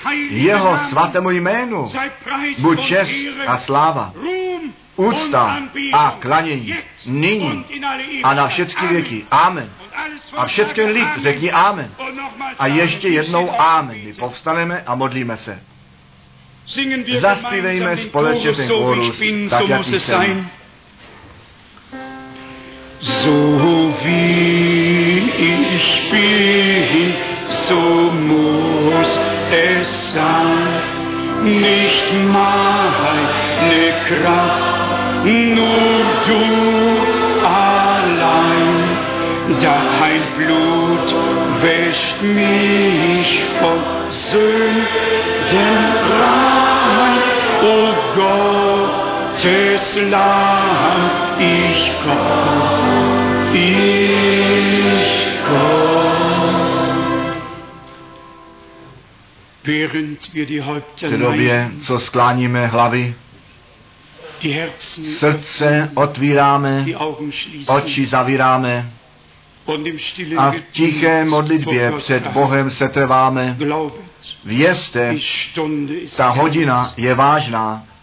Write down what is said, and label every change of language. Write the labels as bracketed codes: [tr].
[cs] Jeho svatému jménu buď čest a sláva, úcta a klanění nyní a na všechny věky. Amen. A všechny lid řekni amen. A ještě jednou amen. My povstaneme a modlíme se. Zaspívejme společně ten chorus, tak jak jsem. [de] So wie ich bin, so muss es sein. Nicht meine Kraft, nur du allein. Dein dein Blut wäscht mich von Sünden rein. O Gottes Lamm, ich komm, ich komm. Während wir die Häupter neigen, [cs] době, co skláníme hlavy, srdce otvíráme, oči zavíráme a v tiché modlitbě před Bohem setrváme. Vězte, ta hodina je vážná.